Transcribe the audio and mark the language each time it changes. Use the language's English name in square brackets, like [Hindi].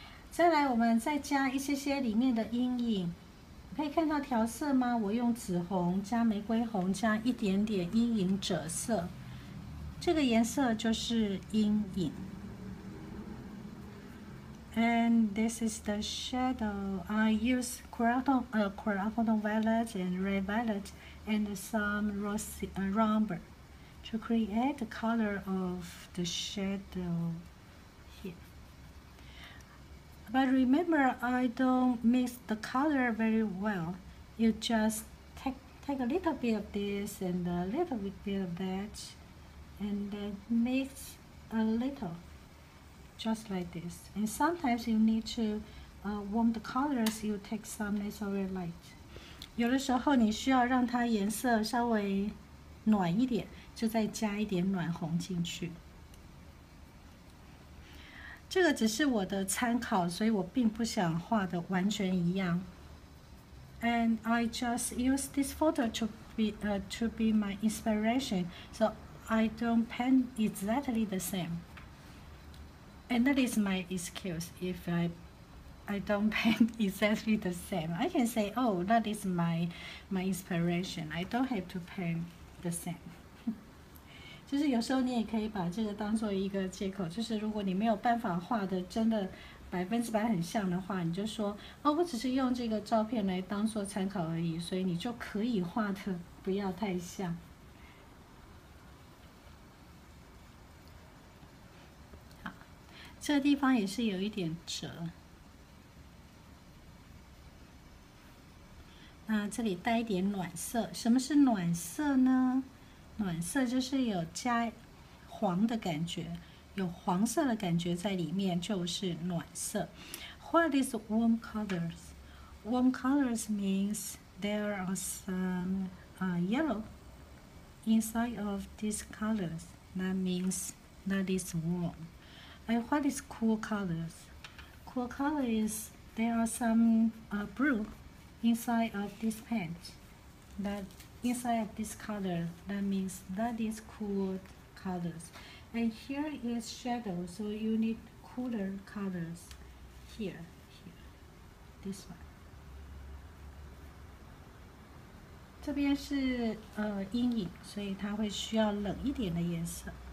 [Chinese] 再来，我们再加一些些里面的阴影。可以看到调色吗？我用紫红加玫瑰红加一点点阴影赭色，这个颜色就是阴影。 [English] And this is the shadow. I use crotone violet and red violet and some rose amber to create the color of the shadow. But remember, I don't mix the color very well. You just take a little bit of this and a little bit of that, and then mix a little, just like this. And sometimes you need to warm the colors. You take some natural light. [Chinese] 有的时候你需要让它颜色稍微暖一点，就再加一点暖红进去。这个只是我的参考，所以我并不想画的完全一样。 [English] And I just use this photo to be my inspiration, so I don't paint exactly the same. And that is my excuse if I don't paint exactly the same. I can say, oh, that is my inspiration. I don't have to paint the same. [Chinese] 就是有时候你也可以把这个当作一个借口，就是如果你没有办法画的真的百分之百很像的话，你就说哦，我只是用这个照片来当作参考而已，所以你就可以画的不要太像。好，这个地方也是有一点折，那这里带一点暖色。什么是暖色呢？暖色就是有加黄的感觉，有黄色的感觉在里面，就是暖色。 [English] What is warm colors? Warm colors means there are some yellow inside of these colors. That means that is warm. And what is cool colors? Cool color is there are some blue inside of this paint. That inside this color, that means that is cool colors. And here is shadow, so you need cooler colors here, here, this one. [Chinese] 这边是阴影，所以它会需要冷一点的颜色。